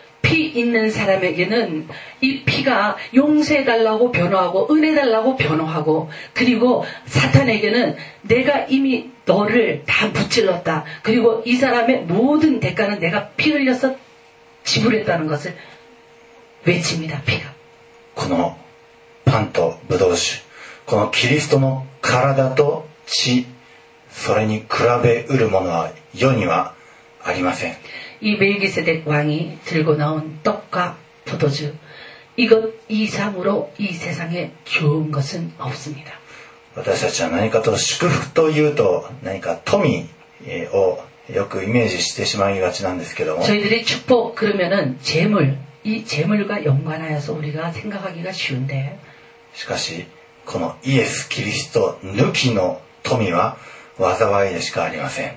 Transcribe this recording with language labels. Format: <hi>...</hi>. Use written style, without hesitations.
<ko>피있는사람에게는이피가용서해달라고변호하고은혜달라고변호하고그리고사탄에게는내가이미너를다무찔렀다그리고이사람의모든대가는내가피흘려서지불했다는것을외칩니다피가</ko> <ja>このパンとブドウ酒このキリストの体と血それに比べうるものは世にはありません</ja> <ko>이멜기세덱왕이들고나온떡과포도주이것이상으로이세상에좋은것은없습니다</ko> <ja>私たちは何かと祝福というと何か富をよくイメージしてしまいがちなんですけども</ja> <ko>저희들이축복그러면은재물이재물과연관하여서우리가생각하기가쉬운데</ko> <ja>しかしこのイエス・キリスト抜きの富は災いでしかありません</ja>